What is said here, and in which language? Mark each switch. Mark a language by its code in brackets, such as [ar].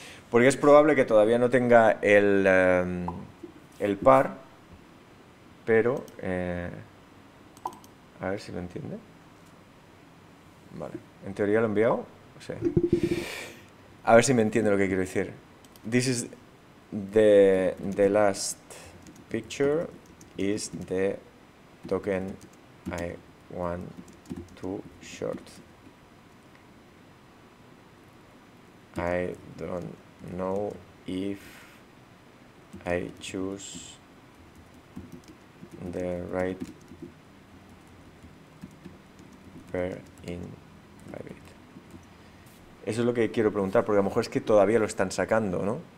[es] Porque es probable que todavía no tenga el par, pero a ver si lo entiende. Vale, en teoría lo he enviado. O sea, a ver si me entiende lo que quiero decir. [en] This is the last picture is the token I want to short. I don't know if I choose the right pair in private. [es] Eso es lo que quiero preguntar, porque a lo mejor es que todavía lo están sacando, ¿no?